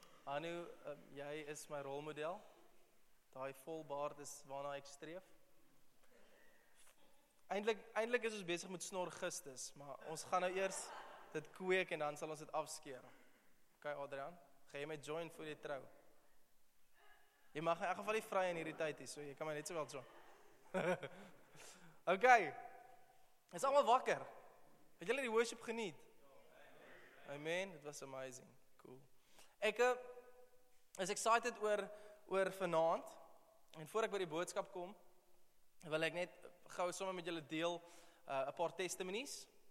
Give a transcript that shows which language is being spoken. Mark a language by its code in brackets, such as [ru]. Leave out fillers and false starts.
[af] Anu, jy is my rolmodel, die vol baard is waarna ek streef. Eindelijk is ons bezig met snorgistus, maar ons gaan nou eerst dit kweek en dan sal ons dit afskeer. Ok, Adrian, ga jy my join voor die trou? Jy mag in elk geval die vry in hierdie tyd, so jy kan my net so wel join. Ok, is allemaal wakker. Het julle die worship geniet? [en] Amen, it was amazing, cool. [af] Ek is excited oor vanavond, en voor ek by die boodskap kom, wil ek net gauw sommer met julle deel een paar testimonies.